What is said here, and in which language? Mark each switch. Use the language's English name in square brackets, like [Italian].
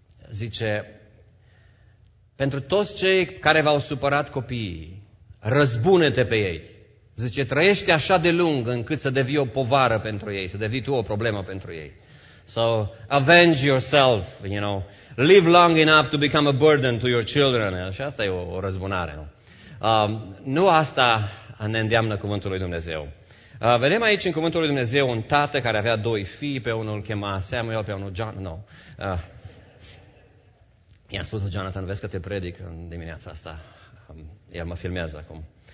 [Romanian] Zice, pentru toți cei care v-au supărat copiii, răzbune-te pe ei. Zice, trăiește așa de lung încât să devii o povară pentru ei, să devii tu o problemă pentru ei. [English] So, avenge yourself, you know. Live long enough to become a burden to your children. [Romanian] Și asta e o răzbunare, nu? Nu asta ne îndeamnă cuvântul lui Dumnezeu. Vedem aici în cuvântul lui Dumnezeu un tată care avea doi fii, pe unul îl chema Samuel, pe unul John, nu. I-am spus lui Jonathan, vezi că te predic în dimineața asta. El mă filmează acum.